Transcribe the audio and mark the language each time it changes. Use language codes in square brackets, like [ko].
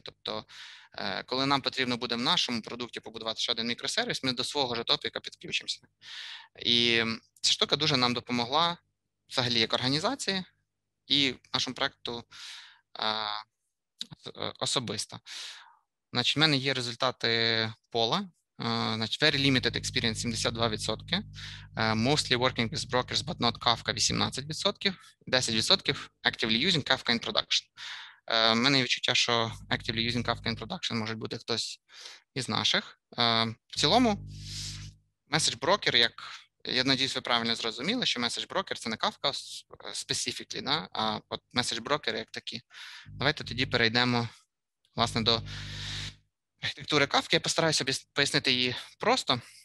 [uk] Тобто, коли нам потрібно буде в нашому продукті побудувати ще один мікросервіс, ми до свого же топіка підключимося. І ця штука дуже нам допомогла взагалі як організації і нашому проєкту особисто. Значить, в мене є результати пола. Значить, [en] very limited experience 72%, mostly working with brokers, but not Kafka 18%, 10% actively using Kafka in production. [uk] У мене є відчуття, що [en] actively using Kafka in production [uk] може бути хтось із наших. В цілому, message broker, як я надіюсь, ви правильно зрозуміли, що message broker це не Kafka specifically, да? А от message broker як такі. Давайте тоді перейдемо власне до архітектури Kafka. Я постараюся пояснити її просто.